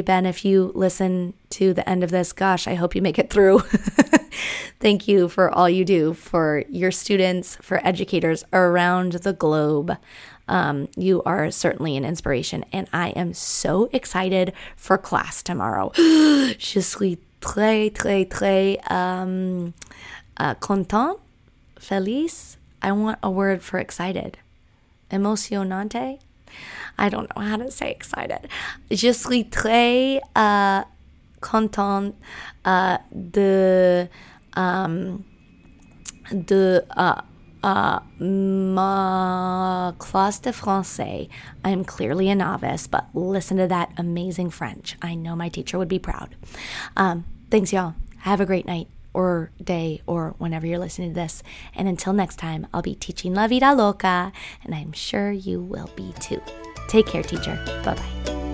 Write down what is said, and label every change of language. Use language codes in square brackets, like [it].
[en] Ben, if you listen to the end of this, gosh, I hope you make it through. Thank you for all you do for your students, for educators around the globe. You are certainly an inspiration and I am so excited for class tomorrow. [fr] Je suis très, très, très content, feliz. [en] I want a word for excited. Emocionante? I don't know how to say excited. [fr] Je suis très content ma classe de français. [en] I am clearly a novice, but listen to that amazing French. I know my teacher would be proud. Thanks, y'all. Have a great night or day or whenever you're listening to this. And until next time, I'll be teaching La Vida Loca, and I'm sure you will be too. Take care, teacher. Bye-bye.